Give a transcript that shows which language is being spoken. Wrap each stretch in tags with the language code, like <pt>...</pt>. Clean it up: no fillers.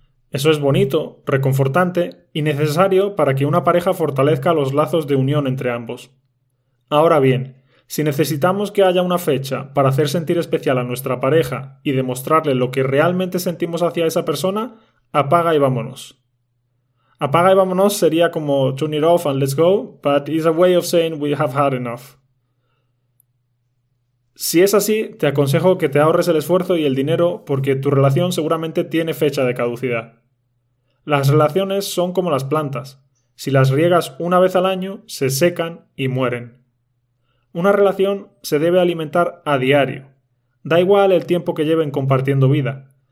<es>Eso es bonito, reconfortante y necesario para que una pareja fortalezca los lazos de unión entre ambos. Ahora bien, si necesitamos que haya una fecha para hacer sentir especial a nuestra pareja y demostrarle lo que realmente sentimos hacia esa persona, apaga y vámonos. Apaga y vámonos sería como</es> <en>turn it off and let's go, but it's a way of saying we have had enough.</en> <es>Si es así, te aconsejo que te ahorres el esfuerzo y el dinero porque tu relación seguramente tiene fecha de caducidad. Las relaciones son como las plantas. Si las riegas una vez al año, se secan y mueren. Una relación se debe alimentar a diario. Da igual el tiempo que lleven compartiendo vida.</es>